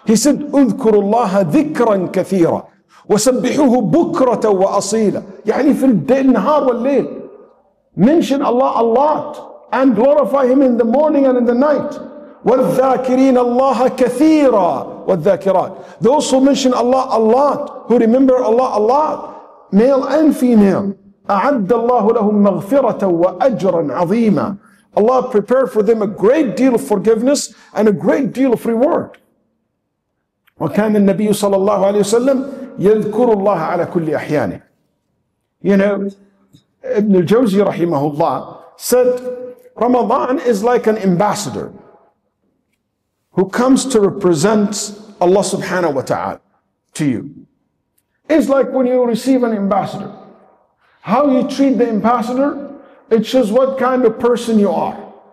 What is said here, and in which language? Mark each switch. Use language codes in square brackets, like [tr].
[en] He said, [ar] اذكروا الله ذكرا كثيرا وسبحوه بكرة وأصيلا. يعني في النهار والليل. [en] Mention Allah a lot and glorify Him in the morning and in the night. [ar] والذاكرين الله كثيرا والذاكرات. [en] Those who mention Allah a lot, who remember Allah a lot, male and female. [ar] أعد الله لهم مغفرة وأجرا عظيما. [en] Allah prepared for them a great deal of forgiveness and a great deal of reward. [ar] وكان النبي صلى الله عليه وسلم يذكر الله على كل أحيانه. [en] You know, Ibn al-Jawzi [ar] رحمه الله [en] said, Ramadan is like an ambassador who comes to represent Allah subhanahu wa ta'ala to you. It's like when you receive an ambassador. How you treat the ambassador, it shows what kind of person you are.